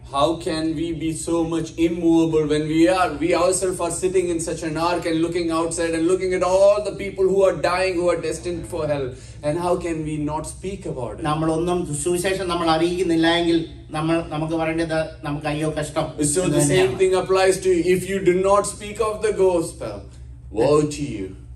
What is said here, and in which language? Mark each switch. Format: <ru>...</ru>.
<en>How can we be so much immovable when we ourselves are sitting in such an ark and looking outside and looking at all the people who are dying, who are destined for hell, and how can we not speak about it?</en> <ml>നമ്മൾ ഒന്നും സുവിശേഷം നമ്മൾ അറിയിക്കുന്നില്ലെങ്കിൽ നമുക്ക് പറയേണ്ടത് നമുക്ക് അയ്യോ കഷ്ടം.</ml> <en>So the same thing applies to you. If you do not speak of the gospel, woe to you.</en>